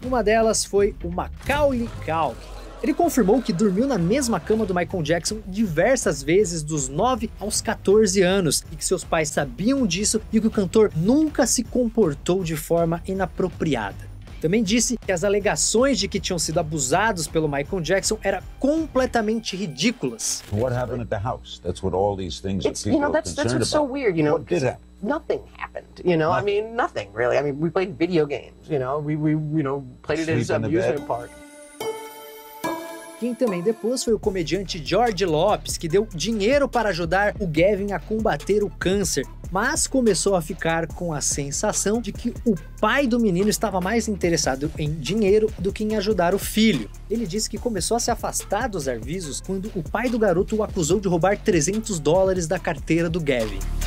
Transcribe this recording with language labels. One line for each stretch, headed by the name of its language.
Portuguese: Uma delas foi o Macaulay Culkin. Ele confirmou que dormiu na mesma cama do Michael Jackson diversas vezes dos 9 aos 14 anos e que seus pais sabiam disso e que o cantor nunca se comportou de forma inapropriada. Também disse que as alegações de que tinham sido abusados pelo Michael Jackson eram completamente ridículas.
English: What happened at the house? That's what all these things that people are concerned about. That's what's so weird, you know. What did happen? Nothing happened, you know. I mean, nothing really. I mean, we played video games, you know. We you know, played it at his amusement park.
Portuguese: Quem também depois foi o comediante George Lopes, que deu dinheiro para ajudar o Gavin a combater o câncer, mas começou a ficar com a sensação de que o pai do menino estava mais interessado em dinheiro do que em ajudar o filho. Ele disse que começou a se afastar dos avisos quando o pai do garoto o acusou de roubar $300 da carteira do Gavin.